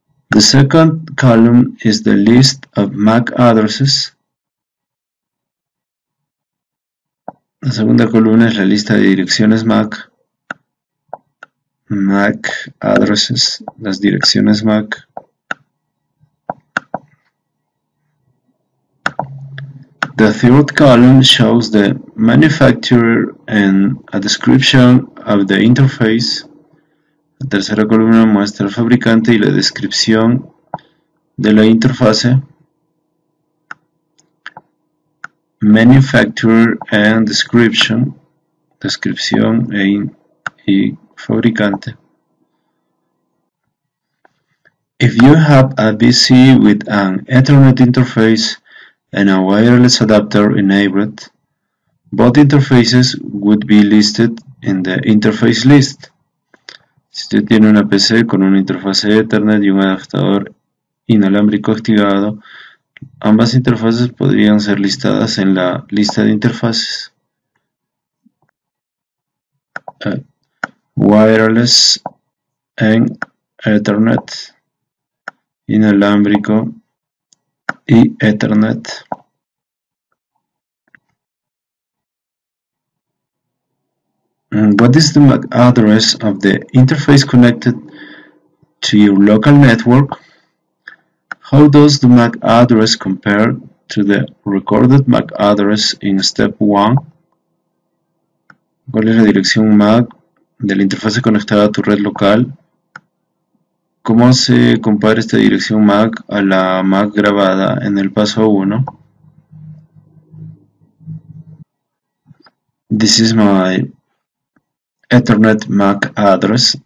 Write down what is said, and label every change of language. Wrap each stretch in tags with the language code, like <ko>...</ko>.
<en>The second column is the list of MAC addresses.</en> <es>La segunda columna es la lista de direcciones MAC.</es> <en>MAC addresses,</en> <es>las direcciones MAC.</es> <en>The third column shows the manufacturer and a description of the interface.</en> <es>La tercera columna muestra el fabricante y la descripción de la interfase.</es> <en>Manufacturer and description,</en> <es>descripción y fabricante.</es> <en>If you have a PC with an Ethernet interface and a wireless adapter enabled, both interfaces would be listed in the interface list.</en> <es>Si usted tiene una PC con una interfaz de Ethernet y un adaptador inalámbrico activado, ambas interfaces podrían ser listadas en la lista de interfaces.</es> <en>Wireless and Ethernet,</en> <es>inalámbrico y Ethernet.</es> <en>What is the MAC address of the interface connected to your local network? How does the MAC address compare to the recorded MAC address in step 1?</en> <es>¿Cuál es la dirección MAC de la interfaz conectada a tu red local? ¿Cómo se compara esta dirección MAC a la MAC grabada en el paso 1?</es> <en>This is my Ethernet MAC address.</en>